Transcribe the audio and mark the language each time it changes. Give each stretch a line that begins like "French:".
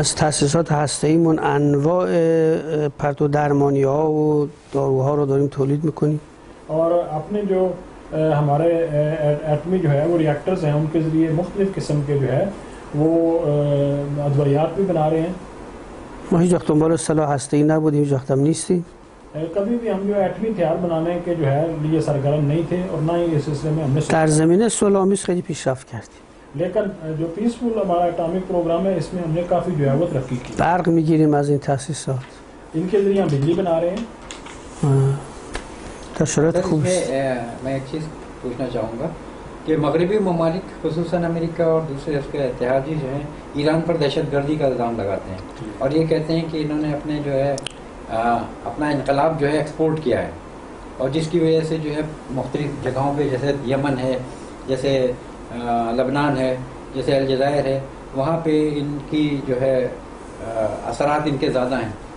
Persian: از تاسیسات هسته ای مون انواع پرتو درمانی ها و داروها رو داریم تولید میکنیم.
Urdu: اور اپنے جو ہمارے ایٹمی جو ہے وہ ریئیکٹرز ہیں ان کے ذریعے مختلف قسم کے جو ہے وہ ادویات بھی بنا رہے ہیں.
Persian: ما هیچ وقت دنبال سلاح هسته ای نبودیم، هیچ وقت هم نیستیم.
Urdu: کبھی بھی ہم جو ایٹمی ہتھیار بنانے کے جو ہے لیے سرگرم نہیں تھے اور نہ ہی اس سلسلے میں ہم نے
Persian: در زمینه صلح آمیز خیلی پیشرفت کردیم.
Urdu: لیکن جو پیس فل ہمارا اٹامک پروگرام ہے اس میں ہم نے کافی جو ہے وہ ترقی کی.
Persian: برق میگیریم از این تاسیسات،
Urdu: ان کے ذریعے ہم بجلی بنا رہے ہیں.
Persian: در شرط خوب است.
Urdu: میں ایک چیز پوچھنا چاہوں گا کہ مغربی ممالک خصوصاً امریکہ اور دوسرے اس کے اتحادی جو ہیں ایران پر دہشت گردی کا الزام لگاتے ہیں اور یہ کہتے ہیں کہ انہوں نے اپنے جو ہے اپنا انقلاب جو ہے ایکسپورٹ کیا ہے اور جس کی وجہ سے جو ہے مختلف جگہوں پہ جیسے یمن ہے، جیسے لبنان ہے، جیسے الجزائر ہے، وہاں پہ ان کی جو ہے اثرات ان کے زیادہ ہیں.